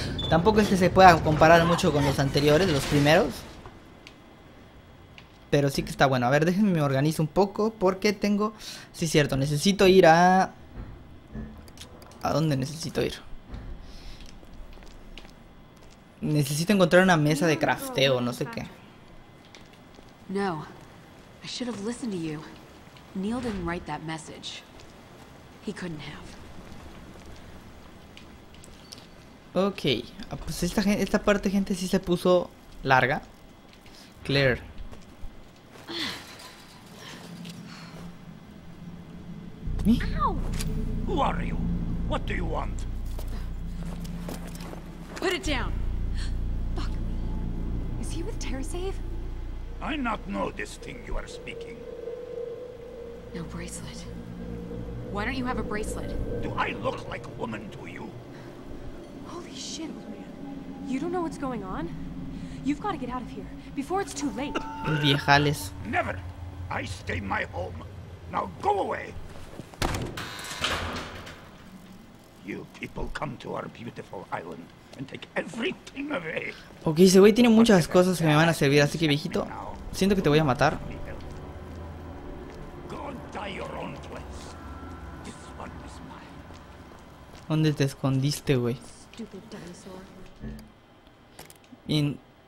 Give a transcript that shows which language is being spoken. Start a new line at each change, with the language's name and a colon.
Spanish: Tampoco es que se pueda comparar mucho con los anteriores, los primeros, pero sí que está bueno. A ver, déjenme me organizo un poco porque tengo... Sí, cierto, necesito ir a... ¿A dónde necesito ir? Necesito encontrar una mesa de crafteo, no sé qué.
English: No, I should have listened to you. Neil didn't write that message. He couldn't have.
Spanish: Ok, pues esta parte, gente, sí se puso larga.
English: Claire. Me? Who are you? What do you want? Put it down. Fuck me. Is he with TerraSave? I not know this thing you are speaking. No bracelet. Why don't you have a bracelet? Do I look like a woman to you? Holy shit, old man. You don't know what's going on? You've got to get out of here before it's too late.
Spanish: Viejales.
English: Never. I stay my home. Now go away. You people come to our beautiful island and take everything away.
Spanish: Okay, ese güey tiene muchas cosas que me van a servir, así que viejito, siento que te voy a matar.
English: Go die your own place. This one is mine.
Spanish: ¿Dónde te escondiste, güey?
English: In...